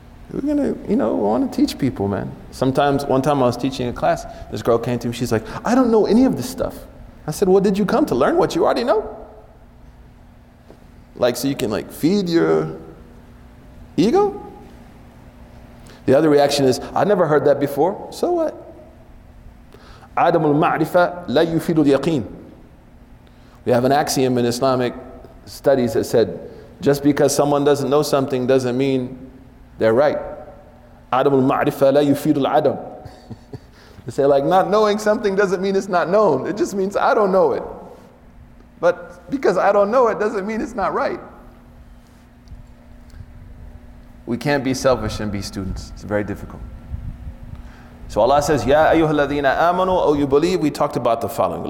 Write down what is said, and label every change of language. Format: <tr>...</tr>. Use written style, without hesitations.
<en>We're gonna, you know, we wanna teach people, man. Sometimes, one time I was teaching a class, this girl came to me, she's like, I don't know any of this stuff. I said, well, did you come to learn what you already know? Like, so you can like feed your ego? The other reaction is, I never heard that before, so what?</en> <ar>عدم المعرفة لا يفيد اليقين.</ar> <en>We have an axiom in Islamic studies that said, just because someone doesn't know something doesn't mean they're right.</en> <ar>عدم المعرفة لا يفيد العدم.</ar> <en>They say, like, not knowing something doesn't mean it's not known. It just means I don't know it. But because I don't know it doesn't mean it's not right. We can't be selfish and be students. It's very difficult. So Allah says,</en> <ar>Ya ayyuha alladhina amanu,</ar> <en>O you believe, we talked about the following.</en>